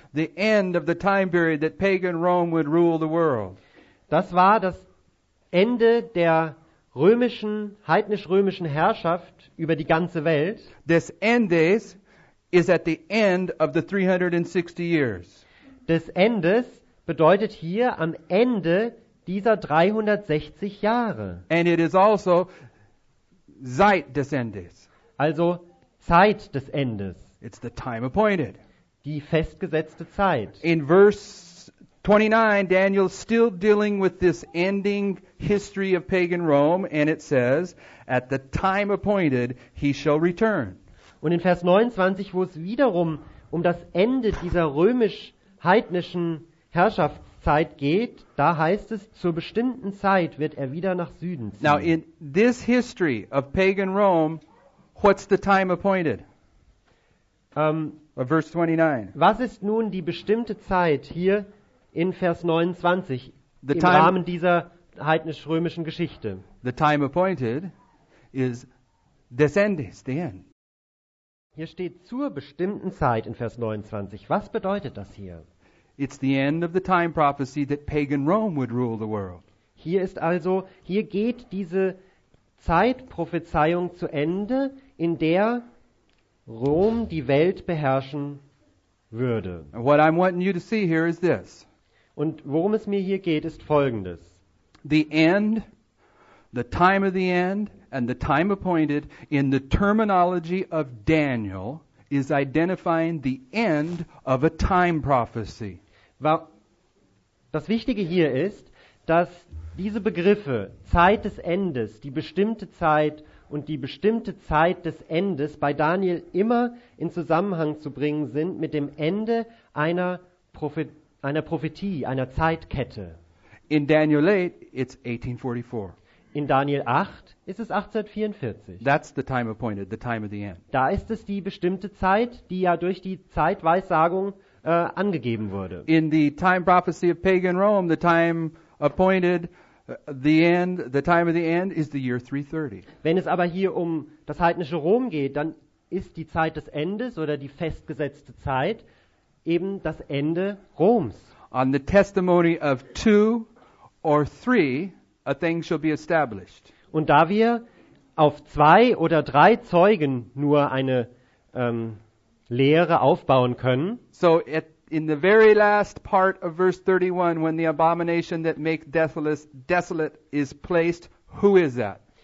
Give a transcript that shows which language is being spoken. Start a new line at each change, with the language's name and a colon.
English: The end of the time period that pagan Rome would rule the world.
German: Das war das Ende der römischen, heidnisch-römischen Herrschaft über die ganze Welt. Des Endes
English: is at the end of the 360 years.
German: Des Endes bedeutet hier am Ende dieser 360 Jahre.
English: And it is also
German: Zeit des Endes. Also Zeit des Endes.
English: It's the time appointed.
German: Die festgesetzte Zeit.
English: In verse 29, Daniel is still dealing with this ending history of pagan Rome, and it says, at the time appointed, he shall return.
German: Und in Vers 29, wo es wiederum um das Ende dieser römisch-heidnischen Herrschaftszeit geht, da heißt es, zur bestimmten Zeit wird er wieder nach Süden ziehen.
English: Now in this history of pagan Rome, what's the time appointed? Verse 29.
German: Was ist nun die bestimmte Zeit hier in Vers 29 the im time, Rahmen dieser heidnisch-römischen Geschichte?
English: The time appointed is descendis, the end.
German: Hier steht zur bestimmten Zeit in Vers 29. Was bedeutet das hier?
English: It's the end of the time prophecy that pagan Rome would rule the world.
German: Hier ist also, hier geht diese Zeitprophezeiung zu Ende, in der Rom die Welt beherrschen würde.
English: What I'm wanting you to see here is this.
German: Und worum es mir hier geht, ist Folgendes.
English: The end, the time of the end, and the time appointed in the terminology of Daniel is identifying the end of a time prophecy.
German: Das Wichtige hier ist, dass diese Begriffe Zeit des Endes, die bestimmte Zeit und die bestimmte Zeit des Endes bei Daniel immer in Zusammenhang zu bringen sind mit dem Ende einer Prophetie, einer Zeitkette.
English: In Daniel 8, it's 1844.
German: In Daniel 8 ist es 1844.
English: That's the time appointed, the time of the end.
German: Da ist es die bestimmte Zeit, die ja durch die Zeitweissagung angegeben wurde.
English: In the time prophecy of pagan Rome, the time appointed, the end, the time of the end is the year 330.
German: Wenn es aber hier um das heidnische Rom geht, dann ist die Zeit des Endes oder die festgesetzte Zeit eben das Ende Roms.
English: On the testimony of two or three, a thing shall be established.
German: Und da wir auf zwei oder drei Zeugen nur eine Lehre aufbauen können.
English: So in the very last part of verse 31, when the abomination that makes desolate, desolate is placed, who is that?